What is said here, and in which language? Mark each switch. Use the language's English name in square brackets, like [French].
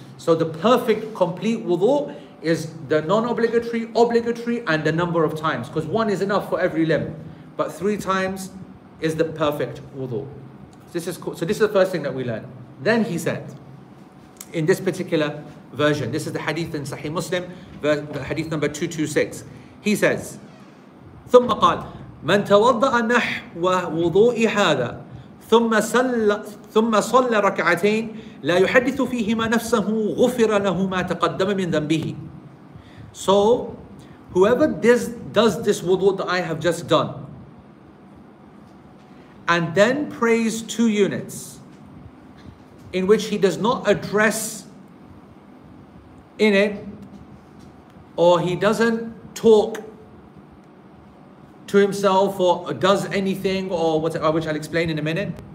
[English] So the perfect, complete wudu is the non-obligatory, obligatory, and the number of times, because one is enough for every limb. But three times is the perfect wudu. So this is the first thing that we learn. Then he said, in this particular version, this is the hadith in Sahih Muslim, hadith number 226. He says, [Arabic] ثم قال من توضأ نحو وضوء هذا ثم صلى ركعتين لا يحدث فيهما نفسه غفر له ما تقدم من ذنبه. [English] So whoever does this wudu that I have just done and then prays two units in which he does not address in it, or he doesn't talk to himself or does anything or whatever, which I'll explain in a minute.